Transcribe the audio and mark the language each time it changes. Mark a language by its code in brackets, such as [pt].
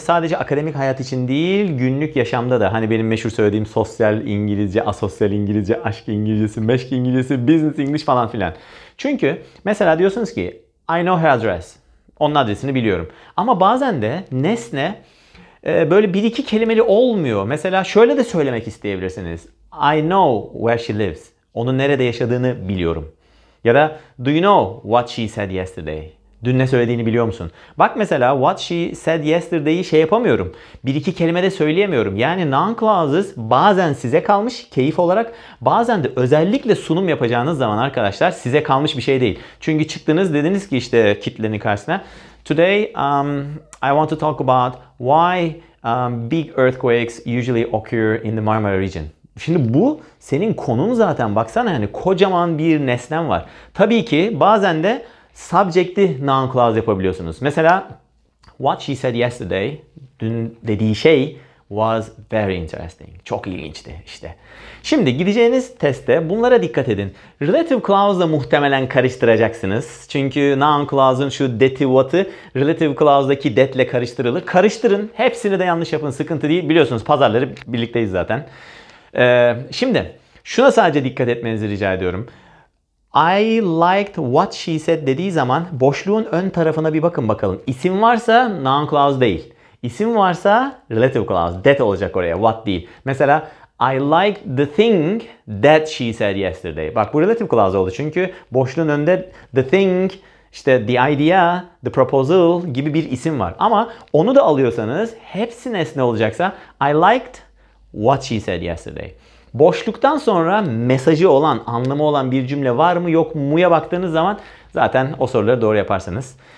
[tr] Sadece akademik hayat için değil, günlük yaşamda da. Hani benim meşhur söylediğim sosyal İngilizce, asosyal İngilizce, aşk İngilizcesi, meşk İngilizcesi, business English falan filan. Çünkü mesela diyorsunuz ki, [en] I know her address. [tr] Onun adresini biliyorum. Ama bazen de nesne böyle bir iki kelimeli olmuyor. Mesela şöyle de söylemek isteyebilirsiniz. [en] I know where she lives. [tr] Onun nerede yaşadığını biliyorum. Ya da [en] do you know what she said yesterday? [tr] Dün ne söylediğini biliyor musun? Bak mesela [en] what she said yesterday'i [tr] şey yapamıyorum. Bir iki kelime de söyleyemiyorum. Yani noun clauses bazen size kalmış keyif olarak. Bazen de özellikle sunum yapacağınız zaman arkadaşlar size kalmış bir şey değil. Çünkü çıktınız dediniz ki işte kitlenin karşısına. [en] Today I want to talk about why big earthquakes usually occur in the Marmara region. [tr] Şimdi bu senin konun zaten. Baksana yani kocaman bir nesnen var. Tabii ki bazen de subject'i noun clause yapabiliyorsunuz. Mesela [en] what she said yesterday, [tr] dün dediği şey [en] was very interesting. [tr] Çok ilginçti işte. Şimdi gideceğiniz testte bunlara dikkat edin. Relative clause'la muhtemelen karıştıracaksınız. Çünkü noun clause'ın şu that'i what'ı relative clause'daki that'le karıştırılır. Karıştırın. Hepsini de yanlış yapın. Sıkıntı değil. Biliyorsunuz pazarları birlikteyiz zaten. Şimdi şuna sadece dikkat etmenizi rica ediyorum. [en] I liked what she said [tr] dediği zaman boşluğun ön tarafına bir bakın bakalım. İsim varsa noun clause değil. İsim varsa relative clause. That olacak oraya. What değil. Mesela [en] I liked the thing that she said yesterday. [tr] Bak bu relative clause oldu çünkü boşluğun önünde the thing, işte the idea, the proposal gibi bir isim var. Ama onu da alıyorsanız hepsi nesne olacaksa [en] I liked what she said yesterday. [tr] Boşluktan sonra mesajı olan, anlamı olan bir cümle var mı yok mu'ya baktığınız zaman zaten o soruları doğru yaparsanız.